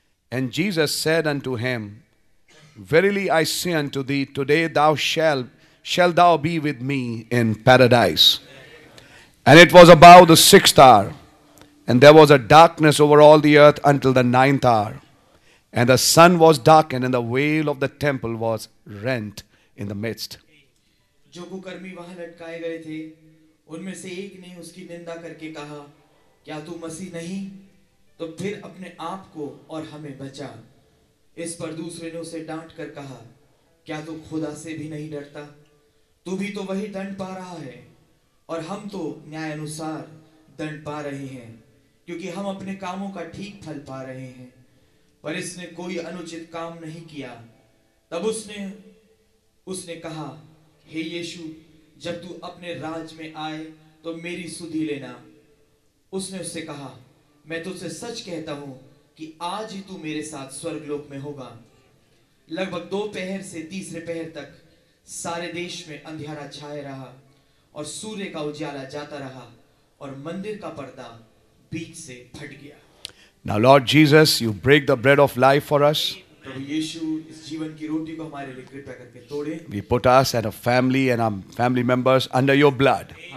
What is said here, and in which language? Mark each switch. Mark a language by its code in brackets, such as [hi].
[en] And Jesus said unto him, Verily I say unto thee, today thou shalt be with me in paradise. And it was about the sixth hour, and there was a darkness over all the earth until the ninth hour. And the sun was darkened, and the veil of the temple was rent in the midst. [hi] उनमें से एक ने उसकी निंदा करके कहा, क्या तू मसीह नहीं? तो फिर अपने आप को और हमें बचा. इस पर दूसरे ने उसे डांट कर कहा, क्या तू खुदा से भी नहीं डरता? तू भी तो वही दंड पा रहा है और हम तो न्याय अनुसार दंड पा रहे हैं, क्योंकि हम अपने कामों का ठीक फल पा रहे हैं. पर इसने कोई अनुचित काम नहीं किया. तब उसने कहा, हे यीशु, जब तू अपने राज में आए तो मेरी सुधि लेना. उसने उससे कहा, मैं तुझसे सच कहता हूं कि आज ही तू मेरे साथ स्वर्ग लोक में होगा. लगभग दो पहर से तीसरे पहर तक सारे देश में अंधेरा छाया रहा और सूर्य का उजाला जाता रहा और मंदिर का पर्दा बीच से फट गया. [en] Now Lord Jesus, you break the bread of life for us. We put us and our family and our family members under your blood.